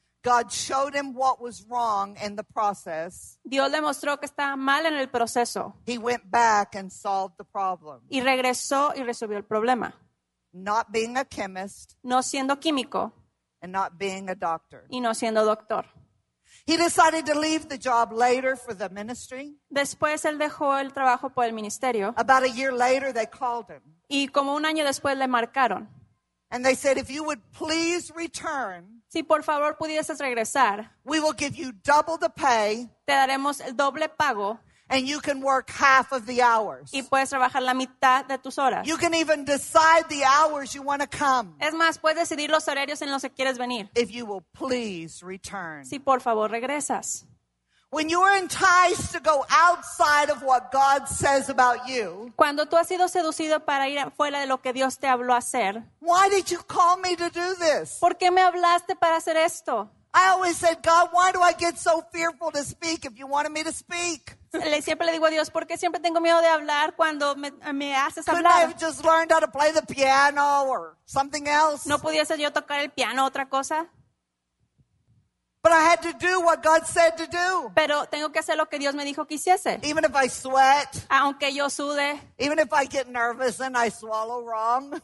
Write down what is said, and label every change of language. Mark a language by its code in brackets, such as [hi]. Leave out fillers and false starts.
[en] God showed him what was wrong in the process. [es] Dios le mostró que estaba mal en el proceso. [en] He went back and solved the problem. [es] Y regresó y resolvió el problema. [en] Not being a chemist. [es] No siendo químico. [en] And not being a doctor. [es] Y no siendo doctor. [en] He decided to leave the job later for the ministry. [es] Después él dejó el trabajo por el ministerio. [en] About a year later, they called him. [es] Y como un año después le marcaron. [en] And they said, if you would please return, [es] si por favor pudieses regresar, [en] we will give you double the pay, [es] te daremos el doble pago, [en] and you can work half of the hours. [es] Y puedes trabajar la mitad de tus horas. [en] You can even decide the hours you want to come. [es] Es más, puedes decidir los horarios en los que quieres venir. [en] If you will please return. [es] Si por favor regresas. [en] When you are enticed to go outside of what God says about you, [es] cuando tú has sido seducido para ir fuera de lo que Dios te habló a hacer, [en] why did you call me to do this? [es] ¿Por qué me hablaste para hacer esto? [en] I always said, God, why do I get so fearful to speak if you wanted me to speak? [es] Le siempre le digo a Dios, ¿por qué siempre tengo miedo de hablar cuando me haces hablar? [en] Couldn't I have just learned how to play the piano or something else? [es] ¿No pudiese yo tocar el piano otra cosa? [en] But I had to do what God said to do. [es] Pero tengo que hacer lo que Dios me dijo que hiciese. [en] Even if I sweat. [es] Aunque yo sude. [en] Even if I get nervous and I swallow wrong.